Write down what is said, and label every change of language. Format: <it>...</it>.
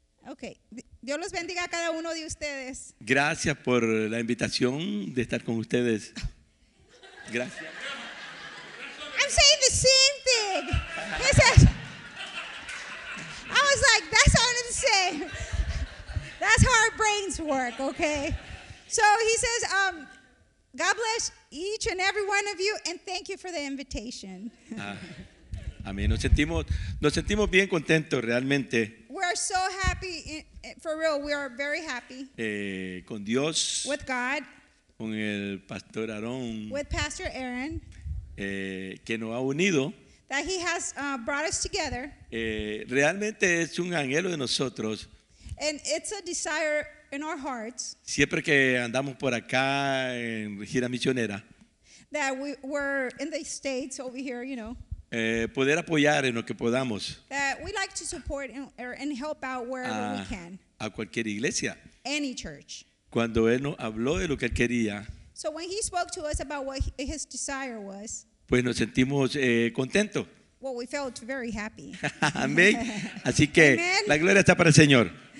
<en>Okay.</en> <es>Dios los bendiga a cada uno de ustedes. Gracias por la invitación de estar con ustedes. Gracias.</es> <en>I'm saying the same thing. He says, I was like, that sounded the same. That's how our brains work, okay? So he says, God bless each and every one of you, and thank you for the invitation.</en> <es>Amén. Nos sentimos bien contentos, realmente.</es> <en>We are so happy, for real, we are very happy.</en> <es>Con Dios.</es> <en>With God.</en> <es>Con el Pastor Aarón.</es> <en>With Pastor Aaron.</en> <es>Que nos ha unido.</es> <en>That he has brought us together.</en> <es>Realmente es un anhelo de nosotros.</es> <en>And it's a desire in our hearts.</en> <es>Siempre que andamos por acá en gira misionera.</es> <en>That we were in the States over here, you know.</en> <es>Poder apoyar en lo que podamos.</es> <en>That we like to support and help out wherever we can.</en> <es>A cualquier iglesia.</es> <en>Any church.</en> <es>Cuando él nos habló de lo que él quería.</es> <en>So when he spoke to us about what his desire was.</en> <es>Pues nos sentimos contentos.</es> <en>Well, we felt very happy.</en> <es>Amén. Así que, amen. La gloria está para el Señor.</es>